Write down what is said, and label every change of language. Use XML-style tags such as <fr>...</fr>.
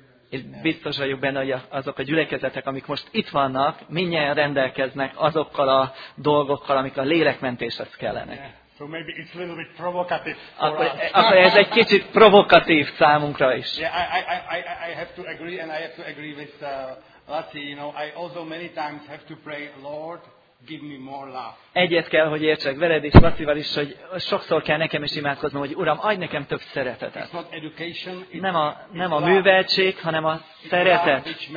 <hu>Én biztos vagyok benne, hogy azok a gyülekezetek, amik most itt vannak, mindjárt rendelkeznek azokkal a dolgokkal, amik a lélekmentéshez kellenek.</hu> <en>So maybe it's a little bit provocative.</en> <hu>Akkor ez egy kicsit provokatív számunkra is.</hu> <en>Yeah, I have to agree, and I have to agree with Laci, you know, I also many times have to pray, Lord, give me more love.</en> <hu>Egyet kell, hogy értsek veled és Lacival is, hogy sokszor kell nekem is imádkoznom, hogy Uram, adj nekem több szeretetet.</hu> <en>It's not education, it's</en> <hu>nem a műveltség, hanem a szeretet.</hu>